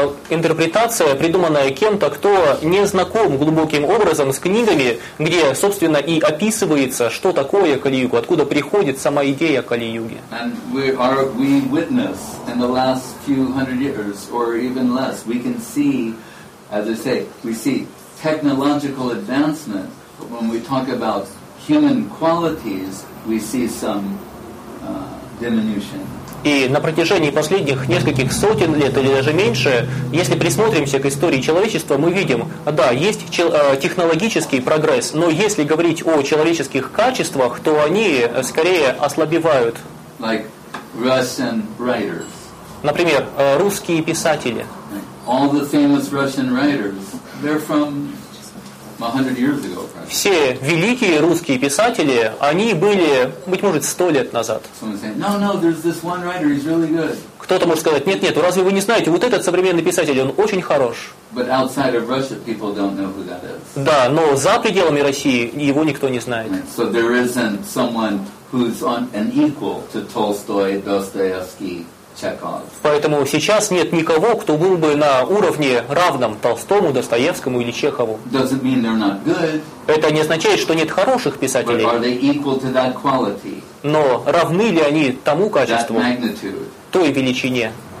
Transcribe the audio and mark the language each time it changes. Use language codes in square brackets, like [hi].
[ru] Интерпретация, придуманная кем-то, кто не знаком глубоким образом с книгами, где, собственно, и описывается, что такое Кали-Юга, откуда приходит сама идея Кали-Юги. [en] And we witness in the last few hundred years, or even less, we can see, as I say, we see technological advancement, but when we talk about human qualities, we see some diminution. [ru] И на протяжении последних нескольких сотен лет или даже меньше, если присмотримся к истории человечества, мы видим, да, есть технологический прогресс, но если говорить о человеческих качествах, то они скорее ослабевают. [en] Like Russian writers. [ru] Например, русские писатели. [en] All the famous Russian writers, they're from 100 years ago. [ru] Все великие русские писатели, они были, быть может, 100 лет назад. [en] No, there's this one writer, he's really good. [ru] Кто-то может сказать, нет, разве вы не знаете, вот этот современный писатель, он очень хорош. [en] But outside of Russia, people don't know who that is. [ru] Да, но за пределами России его никто не знает. [en] So there isn't someone who's an equal to Tolstoy, Dostoevsky. [ru] Поэтому сейчас нет никого, кто был бы на уровне равном Толстому, Достоевскому или Чехову. Это не означает, что нет хороших писателей. Но равны ли они тому качеству, той величине?